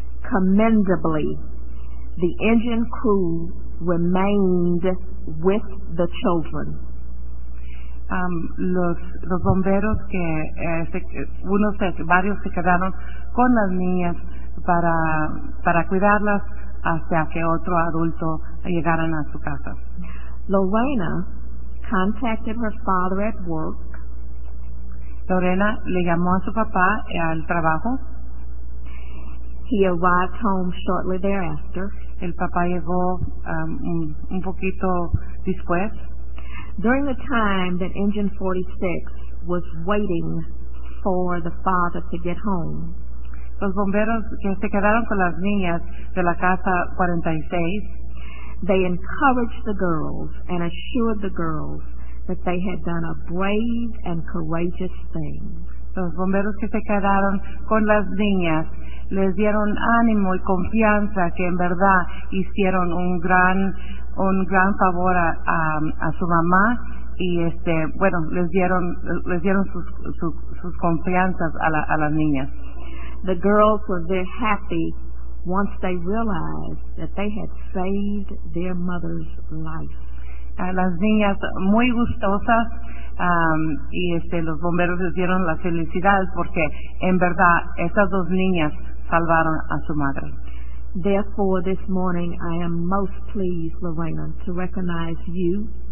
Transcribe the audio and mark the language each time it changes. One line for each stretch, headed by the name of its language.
English: Commendably, the engine crew remained with the children.
Spanish: Los bomberos que varios se quedaron con las niñas para cuidarlas hasta que otro adulto llegaran a su casa.
English: Lorena contacted her father at work.
Spanish: Lorena le llamó a su papá al trabajo.
English: He arrived home shortly thereafter.
Spanish: El papá llegó un poquito después.
English: During the time that Engine 46 was waiting for the father to get home,
Spanish: los bomberos que se quedaron con las niñas de la casa 46,
English: they encouraged the girls and assured the girls that they had done a brave and courageous thing.
Spanish: Los bomberos que se quedaron con las niñas les dieron ánimo y confianza que en verdad hicieron un gran favor a su mamá y bueno, les dieron sus confianzas a las niñas.
English: The girls were very happy once they realized that they had saved their mother's life.
Spanish: Las niñas muy gustosas y los bomberos les dieron las felicidades porque en verdad estas dos niñas salvaron a su madre.
English: Therefore, this morning I am most pleased, Lorena, to recognize you.